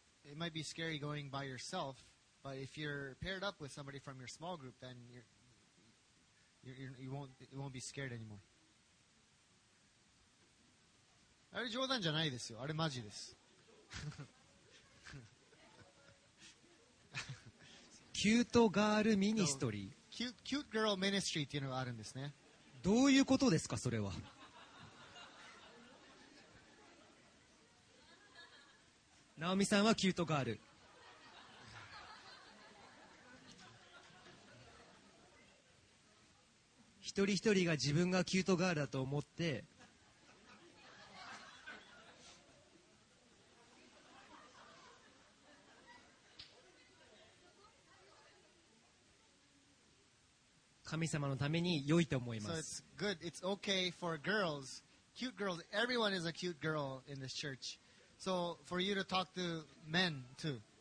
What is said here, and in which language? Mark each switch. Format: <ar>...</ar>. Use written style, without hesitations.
<en>It might be scary going by yourself. But if you're paired up with somebody from your small group, then you won't be scared anymore.</en> <ja>あれ冗談じゃないですよ。あれマジです。</ja> <en>Cute girl ministry. Cute girl ministry</en> <ja>っていうのがあるんですね。どういうことですか、それは。ナオミさんはキュートガール。一人一人が自分がキュートガールだと思って神様のために良いと思います。</ja> <en>So it's good. It's okay for girls. Cute girls. Everyone is a cute girl in this church. So for you to talk to men too.</en>